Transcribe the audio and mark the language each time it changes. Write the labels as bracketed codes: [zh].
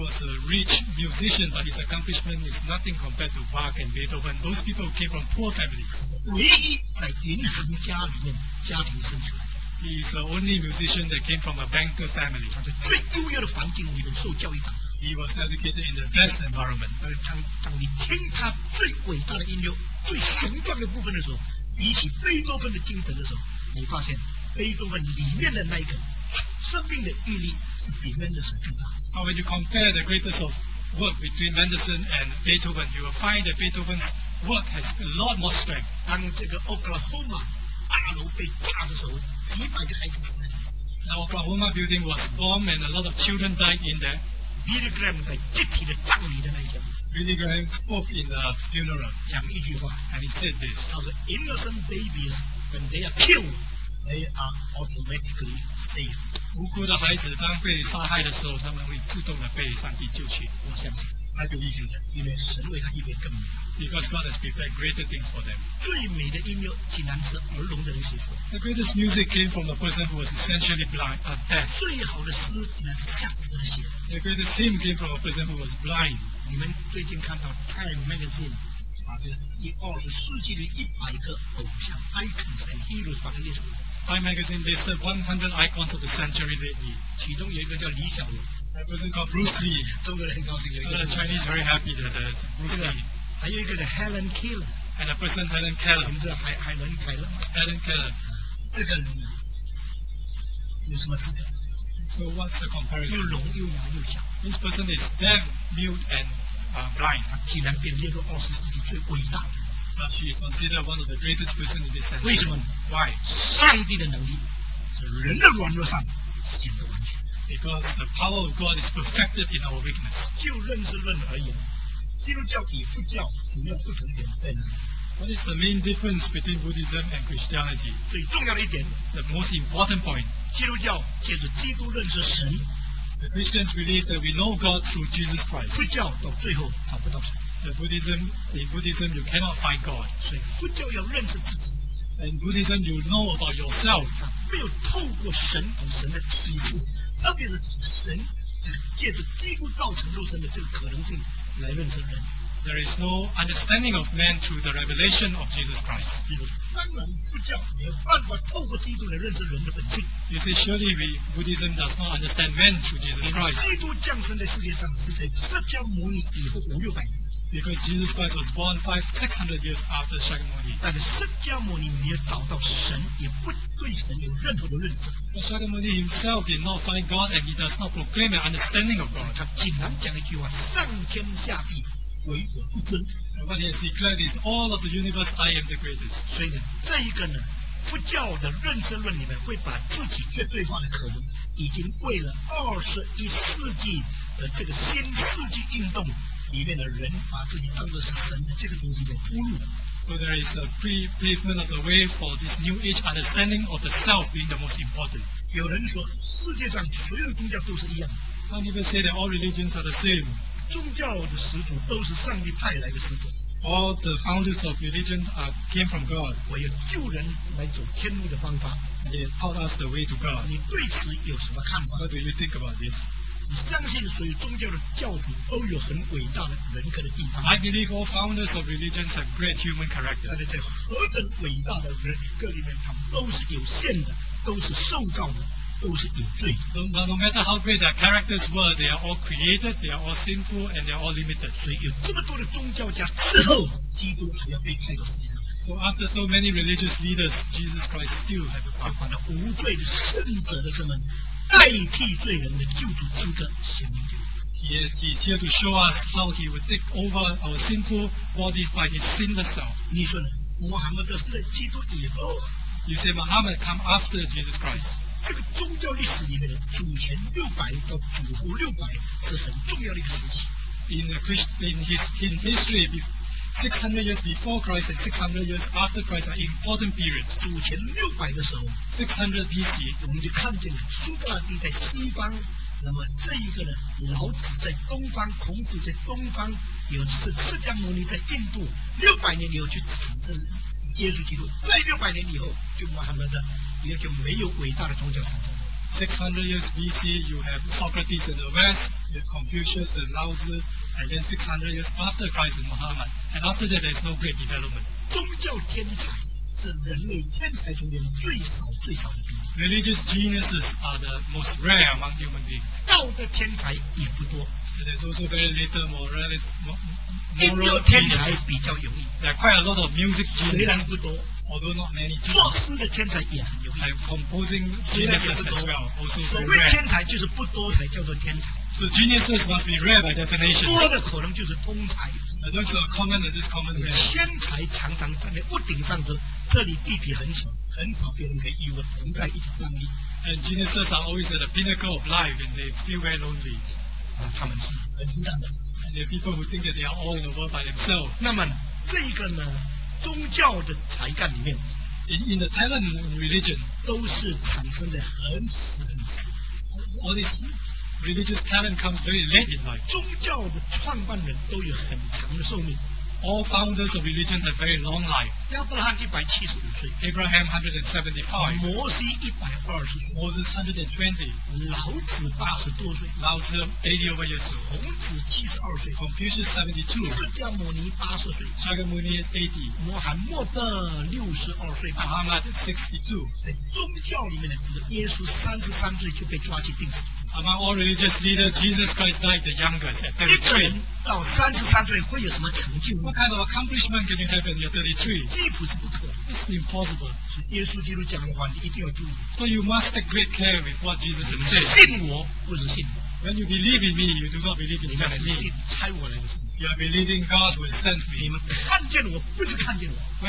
[en] was a rich musician, but his accomplishment is nothing compared to Bach and Beethoven. Those people came from poor families. [zh] 唯一在银行家里面家庭生出来。 [en] He is the only musician that came from a banker family. He was educated in the best environment. But [zh] 生命的毅力是比 Mendelssohn 更大。 [en] Now, when you compare the greatest of work between Mendelssohn and Beethoven, you will find that Beethoven's work has a lot more strength. [zh] 当这个 Oklahoma 大楼被炸的时候，几百个孩子死了。 [en] Now, Oklahoma building was bombed and a lot of children died in there. [zh] Billy Graham 在集体的葬礼的那一天。 [en] Billy Graham spoke in the funeral. [zh] 讲一句话。 [en] And he said this. Now, the innocent babies, when they are killed,They are automatically saved. [zh] 无辜的孩子当被杀害的时候，他们会自动的被上帝救去。我相信 ， [en] I believe in that. [zh] 因为神为他预备更美。 [en] Because God has prepared greater things for them. [zh] 最美的音乐竟然是耳聋的人写出。 [en] The greatest music came from a person who was essentially blind, a deaf. [zh] 最好的诗竟然是瞎子的写。 [en] The greatest hymn came from a person who was blind. [zh] 你们最近看到 Time Magazine。以二十世纪的一百个偶像 [en] icons and heroes [zh] 把它列出来。 [en] Time magazine listed 100 icons of the century lately. [zh] 其中有一个叫李小龙。 [en] A person called Bruce Lee. [zh] 中国人很高兴有一个。 [en] The Chinese very happy that there's Bruce Lee. [zh] 还有一个叫 Helen Keller. [en] And a person Helen Keller. [zh] 什么叫海伦凯勒 [en] ？Helen Keller. [zh] 这个人有什么资格 [en] ？So what's the comparison? [zh] 又聋又盲又瞎。 [en] This person is deaf, mute, and blind. [zh] 他竟然变列入二十世纪最伟大的。 [en] 那 she is considered one of the greatest person in this century. [zh] 为什么 [en] ？Why? [zh] 上帝的能力是人的软弱上显得完全。 [en] Because the power of God is perfected in our weakness. [zh] 就认识论而言，基督教与佛教主要不同点在哪里 [en] ？What is the main difference between Buddhism and Christianity? [zh] 最重要的一点 [en] ，the most important point. [zh] 基督教借着基督认识神。 [en] The Christians believe that we know God through Jesus Christ. [zh] 佛教到最后找不到神。 [en] In Buddhism, you cannot find God. [zh] 所以佛教要认识自己。 [en] In Buddhism, you know about yourself. [zh] 没有透过神和神的启示，特别是神这个借着基督道成肉身的这个可能性来认识人。 [en] There is no understanding of man through the revelation of Jesus Christ. [zh] 比如，当然佛教没有办法透过基督来认识人的本性。 [en] You see, surely Buddhism does not understand man through Jesus Christ. [zh] 基督降生在世界上是在释迦牟尼以后五六百年。 [en] Because Jesus Christ was born 500-600 years after Shakyamuni. [zh] 但是释迦牟尼没有找到神，也不对神有任何的认识。 [en] But Shakyamuni himself did not find God, and he does not proclaim an understanding of God. [zh] 他竟然讲一句话：上天下地。唯我不尊。 [en] And what he has declared is all of the universe, I am the greatest. [zh] 所以呢，这一个呢，佛教的认识论里面会把自己绝对化的可能，已经为了21世纪的这个新世纪运动里面的人，把自己当作是神的这个东西给忽略了。 [en] So there is a pre-pavement of the way for this new age understanding of the self being the most important. [zh] 有人说，世界上所有宗教都是一样。 [en] Some people say that all religions are the same. [zh] 宗教的始祖都是上帝派来的始祖。 [en] All the founders of religion came from God. [zh] 我要救人来走天路的方法。 [en] He taught us the way to God. [zh] 你对此有什么看法 [en] ？What do you think about this? [zh] 你相信所有宗教的教主都有很伟大的人格的地方 [en] ？I believe all founders of religions have great human character. [zh] 但是在何等伟大的人格里面，他们都是有限的，都是受造的。都是有罪的。 [en] No matter how great their characters were, they are all created, they are all sinful, and they are all limited. [zh] 所以有这么多的宗教家之后，基督还要被派到世界上。 [en] So after so many religious leaders, Jesus Christ still had to come. [zh] 把那无罪的圣者的这门代替罪人的救主之歌显明给我们。 [en] He's here to show us how he would take over our sinful bodies by his sinless self. [zh] 你说呢？穆罕默德是在基督以后。 [en] You say Muhammad come after Jesus Christ. [zh] 这个宗教历史里面的主前600到主后600是很重要的一个时期。 [en] In history, 600 years before Christ and 600 years after Christ are important periods. [zh] 主前600的时候 [en] ，600 BC， [zh] 我们就看见了苏格拉底在西方，那么这一个呢，老子在东方，孔子在东方，有释迦牟尼在印度，600年以后就产生耶稣基督，在600年以后就穆罕默德。也就没有伟大的宗教产生。 [en] 600 years BC, you have Socrates in the West, you have Confucius and Lao Tzu, and then 600 years after Christ and Muhammad, and after that, there is no great development. [zh] 宗教天才是人类天才中间最少最少的比例。 [en] Religious geniuses are the most rare among human beings. [zh] 道德天才也不多。 [en] There's also very little morality. [zh] 音乐天才比较容易。 [en] There are quite a lot of music geniuses. [zh] 虽然不多。 [en] Although not many. [zh] 作诗的天才也很容易。 [en] And composing geniuses as well, also so rare. [zh] 所谓天才就是不多才叫做天才。 [en] So geniuses must be rare by definition. [zh] 多的可能就是通才。 [en] Those are common and just common. [zh] 天才常常站在屋顶上的，这里地皮很小，很少别人可以与我同在一起站立。 [en] And geniuses are always at the pinnacle of life, and they feel very lonely. [zh] 那他们是很孤单的。 [en] And there are people who think that they are all in the world by themselves. [zh] 那么这一个呢，宗教的才干里面 [en] ，in the talent and religion, [zh] 都是产生在很迟很迟。 [en] All this. Religious talent comes very late in life. [zh] 宗教的创办人都有很长的寿命。 [en] All founders of religion have very long life. [zh] 亚伯拉罕175岁。 [en] Abraham 175. [zh] 摩西120岁。 [en] Moses 120. [zh] 老子80多岁。 [en] 老子80 over years old. [zh] 孔子72岁。 [en] Confucius 72. [zh] 释迦牟尼80岁。释迦牟尼80。穆罕默德62岁。 [en] Muhammad 62. [zh] 在宗教里面的知识，耶稣33岁就被抓去钉死。 [en] Among all religious leaders, Jesus Christ died the youngest at 33. [zh] 到33岁会有什么成就？ [en] What kind of accomplishment can you have when you're 33? [zh] 几乎是不可。 [en] It's impossible. [zh] 所以耶稣基督讲的话，你一定要注意。 [en] So you must take great care with what Jesus has said. [zh] 信我，不是信我。 [en] When you believe in me, you do not believe in just me. [zh] 猜我来的。 [en] You are believing God who has sent me. [zh] 你们看见我，不是看见我。